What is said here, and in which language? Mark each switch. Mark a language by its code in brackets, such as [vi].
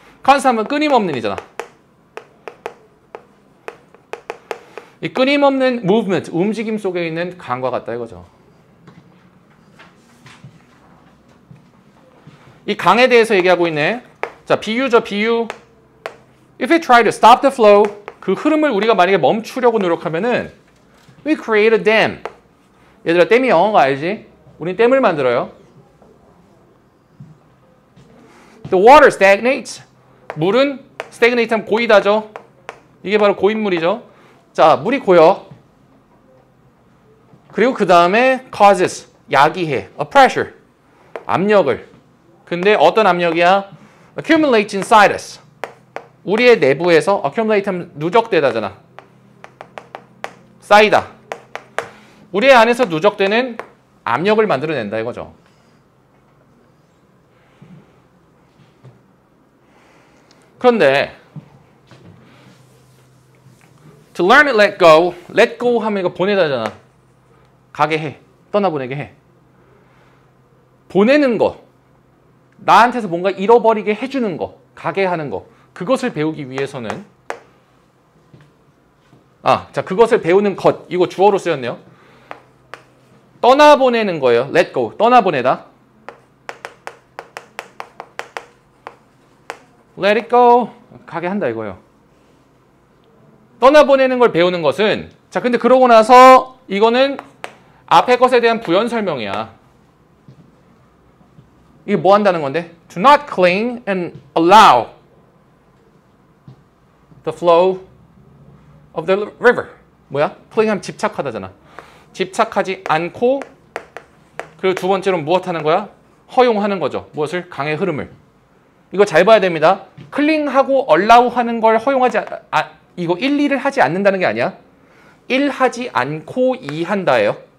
[ko] Constant은 끊임없는 이잖아. 이 끊임없는 movement 움직임 속에 있는 강과 같다 이거죠. 이 강에 대해서 얘기하고 있네. 자, 비유죠, 비유. [en] If we try to stop the flow, [ko] 그 흐름을 우리가 만약에 멈추려고 노력하면은, [en] we create a dam. 얘들아, 댐이 영어가 알지? 우린 댐을 만들어요. The water stagnates. [ko] 물은 stagnate하면 고이다죠. 이게 바로 고인물이죠. 자, 물이 고여. 그리고 그 다음에 causes, 야기해, [en] a pressure, [ko] 압력을. 근데 어떤 압력이야? [en] Accumulate inside us. [ko] 우리의 내부에서 accumulate하면 누적되다잖아. 쌓이다. 우리의 안에서 누적되는 압력을 만들어낸다 이거죠. 그런데 [en] to learn it, let go. [ko] Let go 하면 이거 보내다잖아. 가게 해. 떠나보내게 해. 보내는 거. 나한테서 뭔가 잃어버리게 해주는 거, 가게 하는 거, 그것을 배우기 위해서는 그것을 배우는 것, 이거 주어로 쓰였네요. 떠나보내는 거예요. [en] Let go, [ko] 떠나보내다. [en] Let it go, [ko] 가게 한다 이거예요. 떠나보내는 걸 배우는 것은 자, 근데 그러고 나서 이거는 앞에 것에 대한 부연 설명이야. 이게 뭐 한다는 건데? [en] To not cling and allow the flow of the river. [ko] 뭐야? cling하면 집착하다잖아. 집착하지 않고, 그리고 두 번째로는 무엇 하는 거야? 허용하는 거죠. 무엇을? 강의 흐름을. 이거 잘 봐야 됩니다. cling하고 allow 하는 걸 허용하지, 이거 1, 2를 하지 않는다는 게 아니야. 1 하지 않고 2 한다예요.